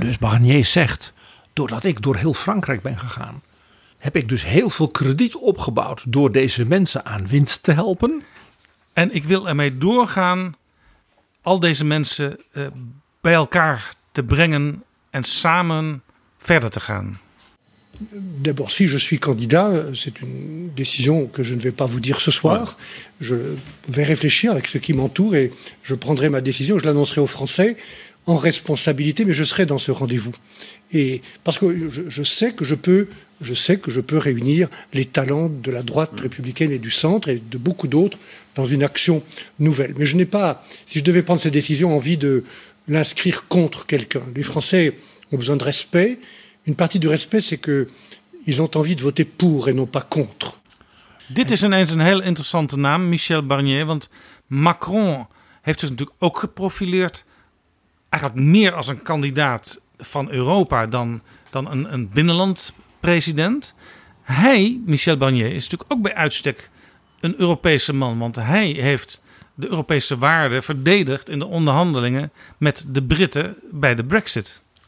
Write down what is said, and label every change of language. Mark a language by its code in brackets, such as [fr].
[nl] Dus Barnier zegt, doordat ik door heel Frankrijk ben gegaan, heb ik dus heel veel krediet opgebouwd door deze mensen aan winst te helpen. En ik wil ermee doorgaan al deze mensen bij elkaar te brengen en samen verder te gaan. [fr] D'abord, si je suis candidat, c'est une décision que je ne vais pas vous dire ce soir. Je vais réfléchir avec ce qui m'entoure et je prendrai ma décision. Je l'annoncerai aux Français en responsabilité, mais je serai dans ce rendez-vous. Et parce que je sais que je peux réunir les talents de la droite républicaine et du centre et de beaucoup d'autres dans une action nouvelle. Mais je n'ai pas, si je devais prendre cette décision, envie de l'inscrire contre quelqu'un. Les Français ont besoin de respect. Une partie du respect, c'est que ils ont envie de voter pour et non pas contre. [nl] Dit is ineens een heel interessante naam, Michel Barnier, want Macron heeft zich natuurlijk ook geprofileerd eigenlijk meer als een kandidaat van Europa dan een binnenland president. Hij, Michel Barnier, is natuurlijk ook bij uitstek een Europese man, want hij heeft de Europese waarden verdedigd in de onderhandelingen met de Britten bij de Brexit.